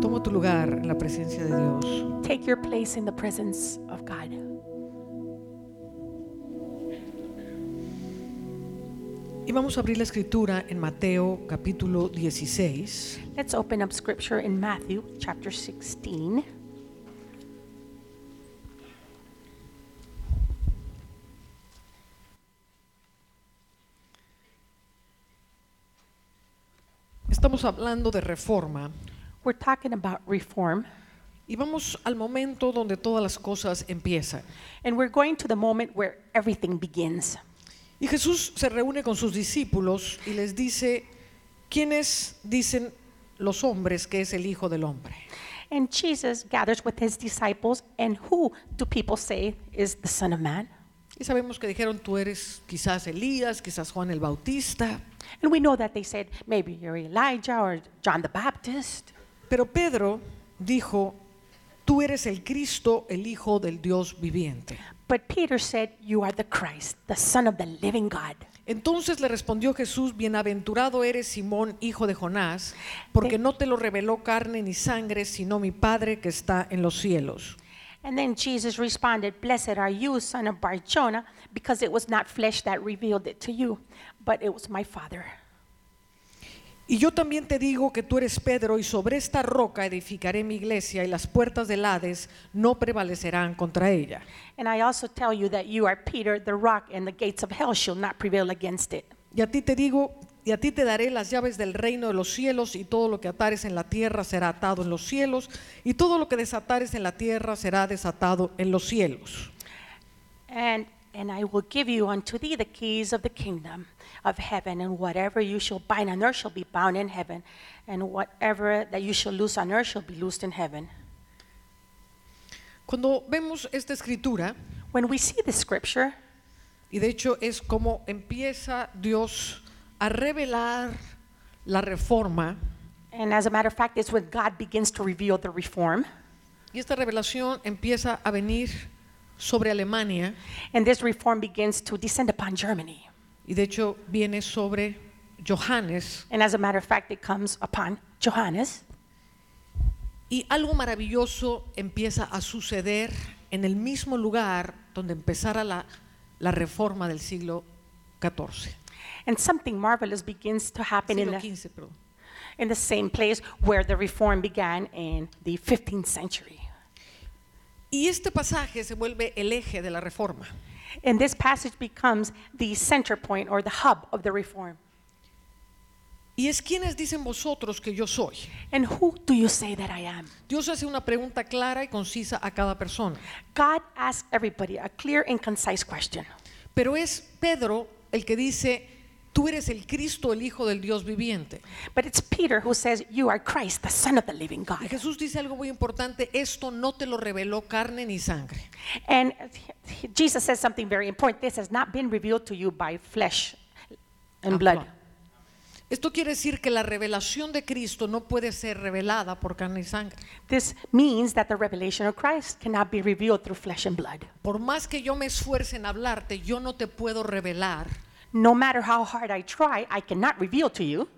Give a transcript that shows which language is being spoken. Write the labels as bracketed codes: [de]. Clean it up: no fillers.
[es] Toma tu lugar en la presencia de Dios. [en] Take your place in the presence of God. [es] Y vamos a abrir la escritura en Mateo capítulo 16. [en] Let's open up scripture in Matthew chapter 16. [es] Estamos hablando de reforma. [en] We're talking about reform. [es] Y vamos al momento donde todas las cosas empiezan. [en] And we're going to the moment where everything begins. [es] Y Jesús se reúne con sus discípulos y les dice, ¿quiénes dicen los hombres que es el Hijo del Hombre? [en] And Jesus gathers with his disciples, and who do people say is the Son of Man? [es] Y sabemos que dijeron, tú eres quizás Elías, quizás Juan el Bautista. [en] And we know that they said, maybe you're Elijah or John the Baptist. [es] Pero Pedro dijo, tú eres el Cristo, el Hijo del Dios viviente. [en] But Peter said, you are the Christ, the Son of the living God. [es] Entonces le respondió Jesús, bienaventurado eres Simón, hijo de Jonás, porque no te lo reveló carne ni sangre, sino mi Padre que está en los cielos. [en] And then Jesus responded, blessed are you, son of Barjona, because it was not flesh that revealed it to you, but it was my Father. [es] Y yo también te digo que tú eres Pedro, y sobre esta roca edificaré mi iglesia, y las puertas del Hades no prevalecerán contra ella. [en] And I also tell you that you are Peter, the rock, and the gates of hell shall not prevail against it. [es] Y a ti te digo, y a ti te daré las llaves del reino de los cielos, y todo lo que atares en la tierra será atado en los cielos, y todo lo que desatares en la tierra será desatado en los cielos. [en] And I will give you unto thee the keys of the kingdom of heaven, and whatever you shall bind on earth shall be bound in heaven, and whatever that you shall loose on earth shall be loosed in heaven. [es] Cuando vemos esta escritura, [en] when we see the scripture, [es] y de hecho es como empieza Dios a revelar la reforma, [en] and as a matter of fact, it's when God begins to reveal the reform. [es] Y esta revelación empieza a venir sobre Alemania, [en] and this reform begins to descend upon Germany. [es] Y de hecho viene sobre Johannes. [en] And as a matter of fact, it comes upon Johannes. [es] Y algo maravilloso empieza a suceder en el mismo lugar donde empezara la reforma del siglo XIV. [en] And something marvelous begins to happen [es] siglo XV, perdón. [en] In the same place where the reform began in the 15th century. [es] Y este pasaje se vuelve el eje de la reforma. [en] And this passage becomes the center point or the hub of the reform. [es] Y es, ¿quiénes dicen vosotros que yo soy? [en] And who do you say that I am? [es] Dios hace una pregunta clara y concisa a cada persona. [en] God asks everybody a clear and concise question. [es] Pero es Pedro el que dice, tú eres el Cristo, el Hijo del Dios viviente. [en] But it's Peter who says, you are Christ, the Son of the living God. [es] Y Jesús dice algo muy importante, esto no te lo reveló carne ni sangre. [en] And Jesus says something very important, this has not been revealed to you by flesh and blood. [es] Esto quiere decir que la revelación de Cristo no puede ser revelada por carne y sangre. [en] This means that the revelation of Christ cannot be revealed through flesh and blood. [es] Por más que yo me esfuerce en hablarte, yo no te puedo revelar. [en] No matter how hard I try, I cannot reveal to you